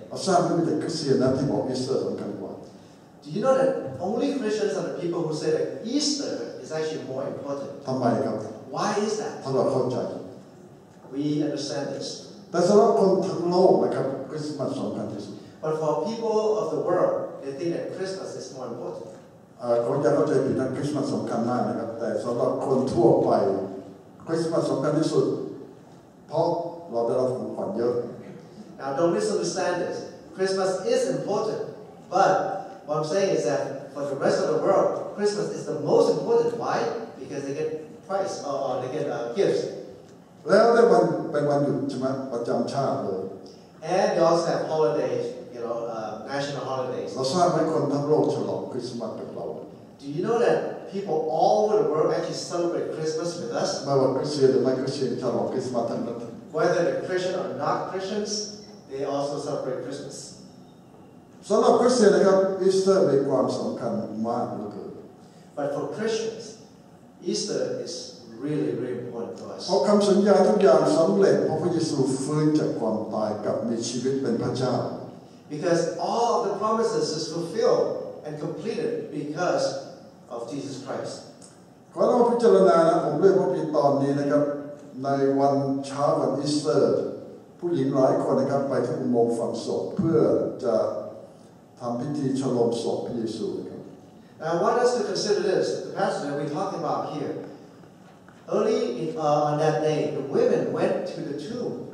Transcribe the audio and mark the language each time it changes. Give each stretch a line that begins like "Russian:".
Thai: เราทราบไหมว่าคริสเตียนนั้นที่บอกอีสเตอร์สำคัญกว่า
English: Do you know that only Christians are the people who say that Easter is actually more important?
Thai: ทำไมครับ
English: Why is that?
Thai: เพราะเราเข้าใจ
English: We understand this.
Thai: แต่สำหรับคนทั้งโลกนะครับ Christmas สำคัญที่สุด
English: But for people of the world, they think that Christmas is more important.
Thai: คนจะเข้าใจผิดนะ Christmas สำคัญมากนะครับแต่สำหรับคนทั่วไป Christmas สำคัญที่สุดเพราะเราได้รับของขวัญเยอะ
English: Now don't misunderstand this. Christmas is important, butWhat I'm saying is that for the rest of the world, Christmas is the most important. Why? Because they get price or they get gifts.
Thai: แล้วเป็นวันหยุดใช่ไหมประจำชาติเลย
English: And they also have holidays, you know, national holidays.
Thai: เราทราบไหมคนทั้งโลกฉลองคริสต์มาสกับเรา
English: Do you know that people all over the world actually celebrate Christmas with us?
Thai: ไม่ว่าคริสเตียนหรือไม่คริสเตียนฉลองคริสต์มาสทั้งนั้น
English: Whether they're Christian or not Christians, they also celebrate Christmas.
Thai: สำหรับคริสเตียนนะครับอีสเตอร์มีความสำคัญมากเหลือเกิน
English: But for Christians, Easter is really, really important to us.
Thai: เพราะคำสัญญาทุกอย่างสำเร็จเพราะพระเยซูฟื้นจากความตายกลับมีชีวิตเป็นพระเจ้า
English: Because all the promises is fulfilled and completed because of Jesus Christ.
Thai: ขอเราพิจารณานะผมเลือกพระคัมภีร์ตอนนี้นะครับในวันเช้าวันอีสเตอร์ผู้หญิงหลายคนนะครับไปที่อุโมงค์ฝังศพเพื่อจะทำพิธีฉลองศพพระเยซูครับ
English: Now, what is to consider this? The passage that we're talking about here. Early in, on that day, the women went to the tomb.